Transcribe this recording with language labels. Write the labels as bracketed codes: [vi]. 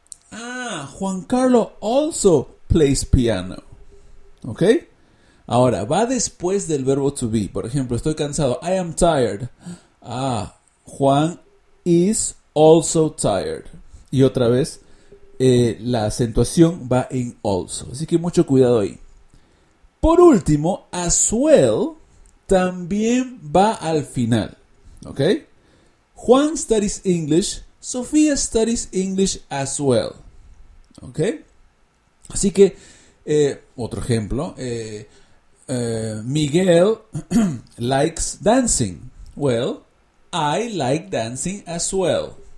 [en] Ah, Juan Carlos also plays piano. [es] ¿Ok? Ahora, va después del verbo to be. Por ejemplo, estoy cansado. [en] I am tired. Ah, Juan is also tired. [es] Y otra vez, la acentuación va en also. Así que mucho cuidado ahí. Por último, as well también va al final. [en] ¿Ok? Juan studies English. Sofía studies English as well. ¿Ok? [es] Así que, otro ejemplo. [en] Miguel likes dancing. Well, I like dancing as well.